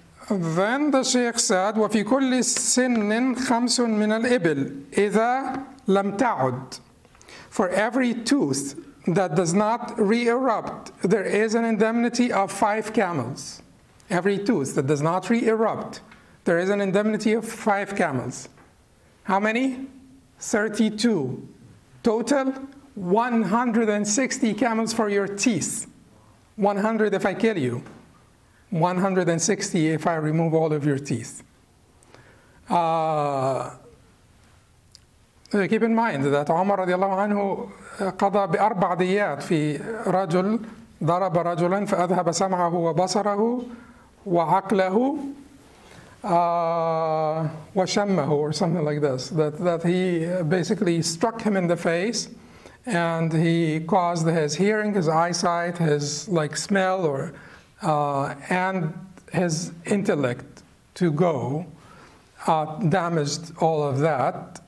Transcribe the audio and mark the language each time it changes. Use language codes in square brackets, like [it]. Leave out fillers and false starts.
[en] Then the Sheikh said, [ar] وَفِي كُلِّ سِنٍ خَمْسٌ مِنَ الْإِبِلِ إِذَا لَمْ تَعُدْ. [en] For every tooth that does not re-erupt, there is an indemnity of 5 camels. Every tooth that does not re-erupt, there is an indemnity of 5 camels. How many? 32. Total, 160 camels for your teeth. 100 if I kill you. 160 if I remove all of your teeth. Keep in mind that Umar radiallahu anhu [ar] قضى بأربع ديات في رجل ضرب رجلا فأذهب سمعه وبصره وعقله. [en] washammahu, or something like this, that he basically struck him in the face, and he caused his hearing, his eyesight, his like smell, or and his intellect to go, damaged all of that.